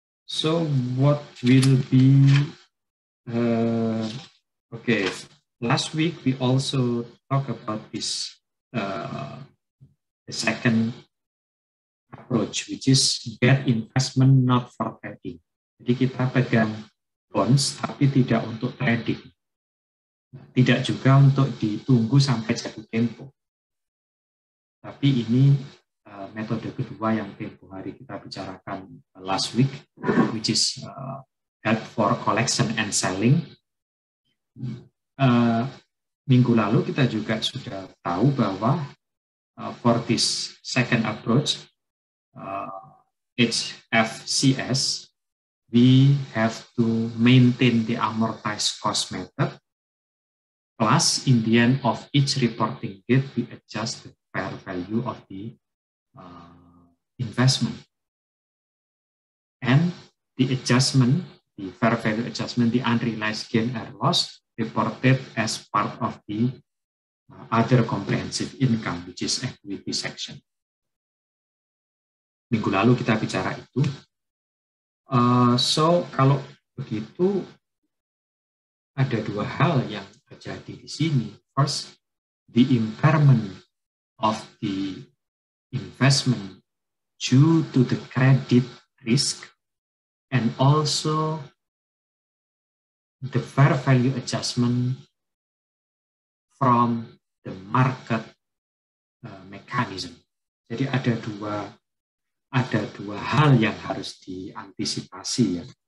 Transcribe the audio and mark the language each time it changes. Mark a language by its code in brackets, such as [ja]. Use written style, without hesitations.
[en] So what will be okay, last week we also talked about this the second approach, which is get investment not for trading. [id] Jadi kita pegang bonds tapi tidak untuk trading, tidak juga untuk ditunggu sampai jatuh tempo, tapi ini metode kedua yang tempo hari kita bicarakan [en] last week, which is held for collection and selling. [id] Minggu lalu kita juga sudah tahu bahwa [en] for this second approach, HFCS, we have to maintain the amortized cost method, plus in the end of each reporting date, we adjust the fair value of the investment. And the adjustment, the fair value adjustment, the unrealized gain or loss, reported as part of the other comprehensive income, which is equity section. [id] Minggu lalu kita bicara itu. So kalau begitu, ada dua hal yang terjadi di sini. [en] First, the impairment of the investment due to the credit risk, and also the fair value adjustment from the market mechanism. [id] Jadi ada dua hal yang harus diantisipasi ya.